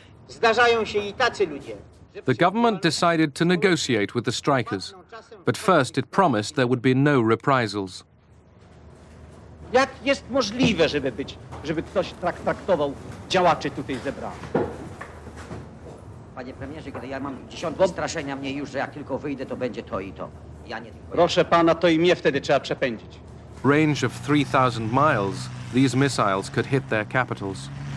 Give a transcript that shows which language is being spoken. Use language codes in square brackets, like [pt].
[en] The government decided to negotiate with the strikers, but first it promised there would be no reprisals. [pl] Jak jest możliwe, żeby ktoś traktował działaczy tutaj zebranych? Panie premierze, kiedy ja mam dziesiątki straszenia mnie już, że jak tylko wyjdę, to będzie to i to. Ja nie tylko... Proszę pana, to i mnie wtedy trzeba przepędzić. [en] Range of 3,000 miles, these missiles could hit their capitals.